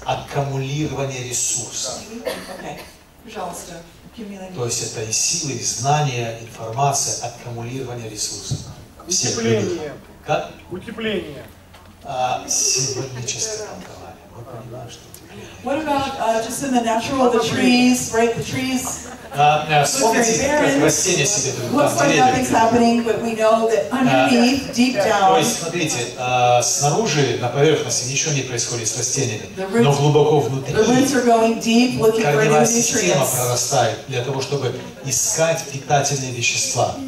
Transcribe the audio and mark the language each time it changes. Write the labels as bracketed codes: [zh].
[ru] Аккумулирование ресурсов. [en] Okay. [ru] Пожалуйста. [en] Accumulating. [ru] То есть это и силы, и знания, информация, аккумулирование ресурсов. Утепление. Как? Утепление. Символическое толкование. Мы понимаем, что. [en] What about just in the natural, the trees, right? The trees. [ru] Смотрите, как растения себе тут То есть, смотрите, снаружи, на поверхности, ничего не происходит с растениями, но глубоко внутри корневая система прорастает для того, чтобы искать питательные вещества.